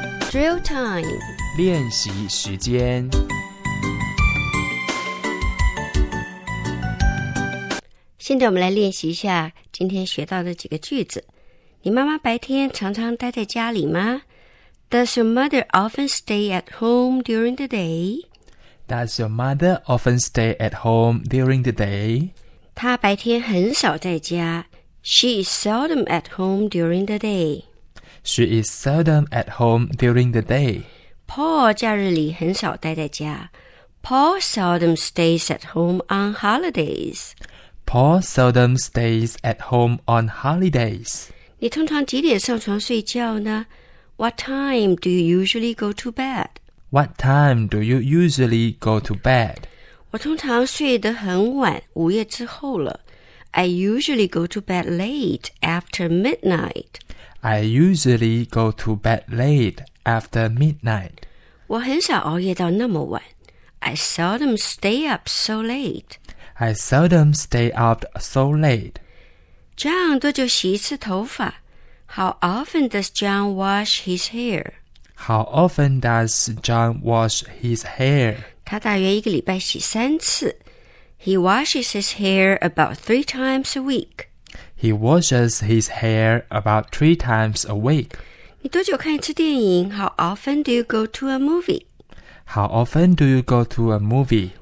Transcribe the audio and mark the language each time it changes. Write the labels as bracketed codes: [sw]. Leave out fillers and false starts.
[en] Drill time. [zh] 练习时间。现在我们来练习一下今天学到的几个句子。你妈妈白天常常待在家里吗？ [en] Does your mother often stay at home during the day? Does your mother often stay at home during the day? [zh] 她白天很少在家。 [en] She is seldom at home during the day. She is seldom at home during the day. Paul [zh] 假日里很少待在家。 [en] Paul seldom stays at home on holidays. Paul seldom stays at home on holidays. [zh] 你通常几点上床睡觉呢？ [en] What time do you usually go to bed? What time do you usually go to bed? [zh] 我通常睡得很晚，午夜之后了。 [en] I usually go to bed late after midnight. I usually go to bed late after midnight. [zh] 我很少熬夜到那么晚。 [en] I seldom stay up so late. I seldom stay up so late. [zh] 这样多久洗一次头发？ [en] How often does John wash his hair? How often does John wash his hair? [zh] 他大约一个礼拜洗三次。 [en] He washes his hair about 3 times a week. He washes his hair about 3 times a week. [zh] 你多久看一次电影? [en] How often do you go to a movie? How often do you go to a movie?